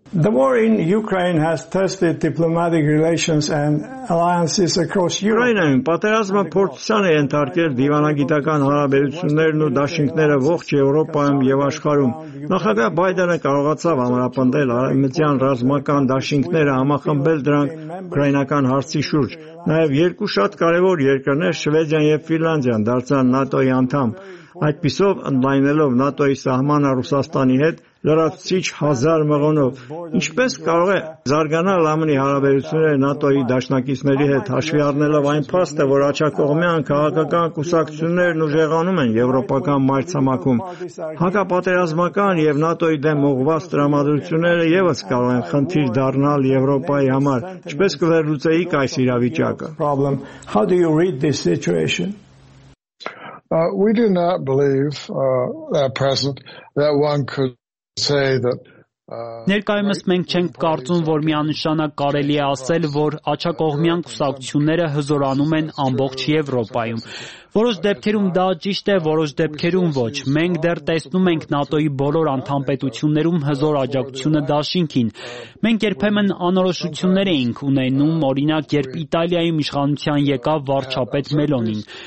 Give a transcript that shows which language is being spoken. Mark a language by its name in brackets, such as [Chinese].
[English] The war in Ukraine has tested diplomatic relations and alliances across Europe. [Armenian] Ուկրաինայում պատերազմը փորձան ենթարկել դիվանագիտական հարաբերություններն ու դաշինքները ողջ Եվրոպայում եւ աշխարհում։ Նախագահ Բայդենը կարողացավ ամրապնդել արևմտյան ռազմական դաշինքները, համախմբել դրանք ուկրաինական հարցի շուրջ։ Նաեւ երկու շատ կարևոր երկրներ՝ Շվեդիան եւ Ֆինլանդիան, դարձան ՆԱՏՕ-ի անդամ, այդպիսով ընդլայնելով ՆԱՏՕ-ի սահմանը Ռուսաստանի հետ։ Լրացիչ հազար մղոնով, ինչպես կարող է զարգանալ ԱՄՆ-ի հարաբերությունները ՆԱՏՕ-ի դաշնակիցների հետ, հաշվի առնելով այն փաստը, որ աչակողմյան քաղաքական կուսակցություններն ուժեղանում են եվրոպական մայրցամաքում։ Հակապատերազմական և ՆԱՏՕ-ի դեմ ուղղված տրամադրությունները եւս կարող են խնդիր դառնալ Եվրոպայի համար։ Ինչպես կվերլուծեիք այս իրավիճակը? [English] How do you read this situation? We do not believe at present that one could say that [Armenian] Ներկայումս մենք չենք կարծում, որ միանշանակ կարելի է ասել, որ աչակողմյան կուսակցությունները հզորանում են ամբողջ Եվրոպայում։ Որոշ դեպքերում դա ճիշտ է, որոշ դեպքերում ոչ։ Մենք դեռ տեսնում ենք ՆԱՏՕ-ի բոլոր անդամ պետություններում հզոր աջակցությունը դաշինքին։ Մենք երբեմն անորոշություններ էինք ունենում, օրինակ, երբ Իտալիայում իշխանության եկավ վարչապետ Մելոնին։